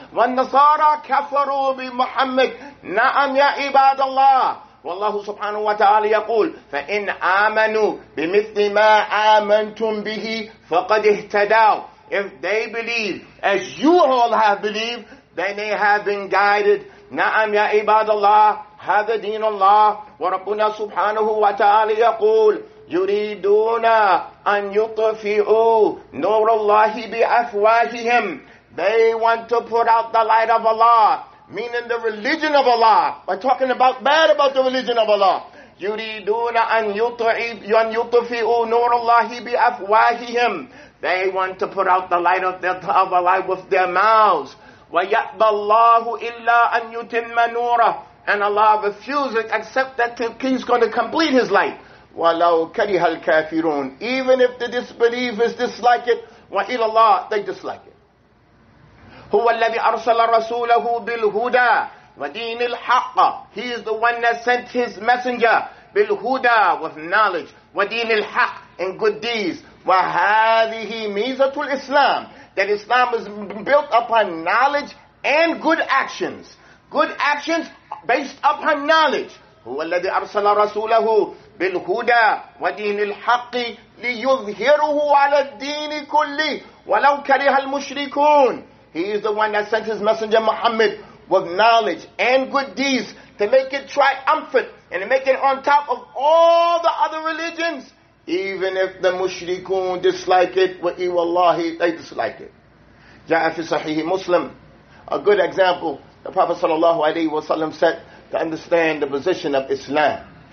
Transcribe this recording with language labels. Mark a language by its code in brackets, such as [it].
[ar] وَالنَّصَارَى كَفَرُوا بِمُحَمَّدٍ. نعم يا عباد الله. والله سبحانه وتعالى يقول فإن آمنوا بمثل ما آمنتم به فقد اهتدوا. [en] If they believe as you all have believed, then they have been guided. [ar] نعم يا عباد الله. هذا دين الله. وربنا سبحانه وتعالى يقول يريدون أن يطفئوا نور الله بأفواههم. [en] They want to put out the light of Allah, meaning the religion of Allah, by talking about bad about the religion of Allah. [ar] يريدون أن يطفئوا نور الله بأفواههم. [en] They want to put out the light of Allah with their mouths. [ar] ويأبى الله إلا أن يتم نوره. [en] And Allah refuses except that he's going to complete his light. [ar] ولو كره الكافرون. [en] Even if the disbelievers dislike it, [ar] وإلى الله, [en] they dislike it. [ar] هو الذي أرسل رسوله بالهدى ودين الحق. [en] He is the one that sent his messenger بالهدى with knowledge [ar] ودين الحق [en] in good deeds. [ar] وهذه ميزة الإسلام. [en] That Islam is built upon knowledge and good actions. Good actions based upon knowledge. [ar] هو الذي أرسل رسوله بالهدى ودين الحق ليظهره على الدين كله ولو كره المشركون. [en] He is the one that sent his messenger Muhammad with knowledge and good deeds to make it triumphant and to make it on top of all the other religions, even if the mushrikun dislike it, وَإِوَاللَّهِ they dislike it. [ar] جاء في صحيح مسلم, [en] a good example, the Prophet صلى الله عليه وسلم said to understand the position of Islam.